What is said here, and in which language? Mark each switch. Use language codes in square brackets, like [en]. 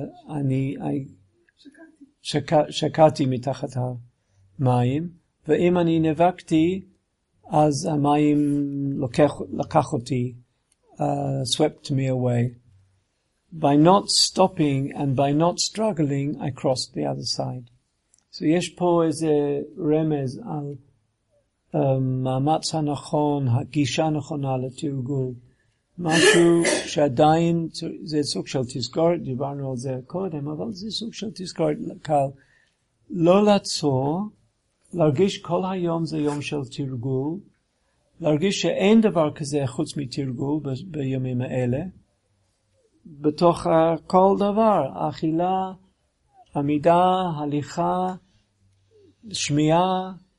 [he] אני שקעתי מתחת המים, ואם אני נבקתי, אז המים לקח אותי, [en] swept me away. By not stopping and by not struggling, I crossed the other side. So [he] יש פה איזה רמז על מאמץ הנכון, הגישה הנכונה לתרגול. משהו שעדיין, זה סוג של תזכורת, דיברנו על זה קודם, אבל זה סוג של תזכורת קל. לא לעצור, להרגיש כל היום זה יום של תרגול, להרגיש שאין דבר כזה חוץ מתרגול בימים האלה, בתוך כל דבר, אכילה, עמידה, הליכה, שמיעה,